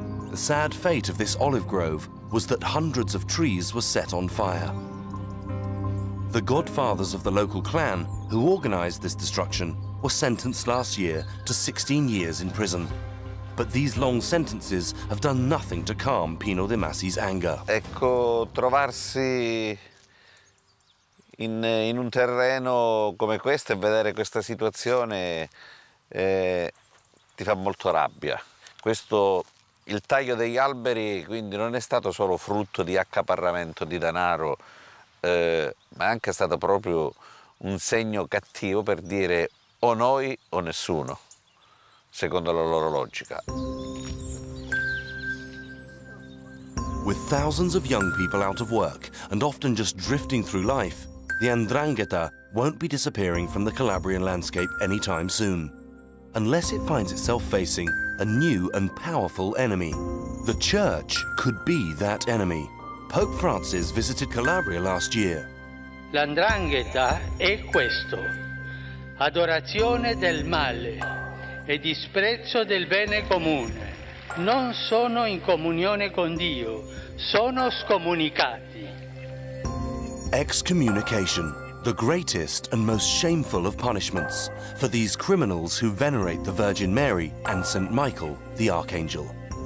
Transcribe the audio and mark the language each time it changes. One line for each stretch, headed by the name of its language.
English: The sad fate of this olive grove was that hundreds of trees were set on fire. The godfathers of the local clan, who organized this destruction, were sentenced last year to 16 years in prison. But these long sentences have done nothing to calm Pino De Masi's anger.
Italian: Ecco, trovarsi in un terreno come questo e vedere questa situazione ti fa molto rabbia. Questo il taglio degli alberi, quindi non è stato solo frutto di accaparramento di denaro, ma è anche stato proprio un segno cattivo per dire o noi o nessuno, secondo la loro logica.
English: With thousands of young people out of work and often just drifting through life, the Ndrangheta won't be disappearing from the Calabrian landscape anytime soon, unless it finds itself facing a new and powerful enemy. The church could be that enemy. Pope Francis visited Calabria last year.
Italian: La 'Ndrangheta è questo: adorazione del male e disprezzo del bene comune. Non sono in comunione con Dio, sono scomunicati.
English: Excommunication, the greatest and most shameful of punishments for these criminals who venerate the Virgin Mary and Saint Michael, the Archangel.